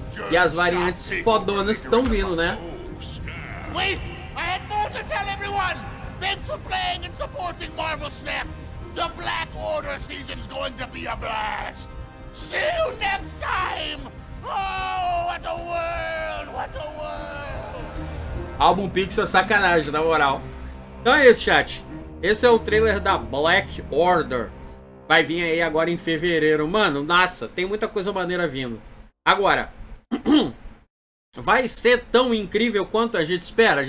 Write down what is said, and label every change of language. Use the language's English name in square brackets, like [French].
[Portuguese] E as variantes fodonas que estão vindo, né? [English] Wait, I had more to tell everyone. Thanks for playing and supporting Marvel Snap. The Black Order season is going to be a blast. See you next time. Oh, what a world, what a world. [Portuguese] Álbum Pixel é sacanagem, na moral. Então é isso, chat. Esse é o trailer da Black Order. Vai vir aí agora em fevereiro. Mano, nossa, tem muita coisa maneira vindo. Agora, vai ser tão incrível quanto a gente espera?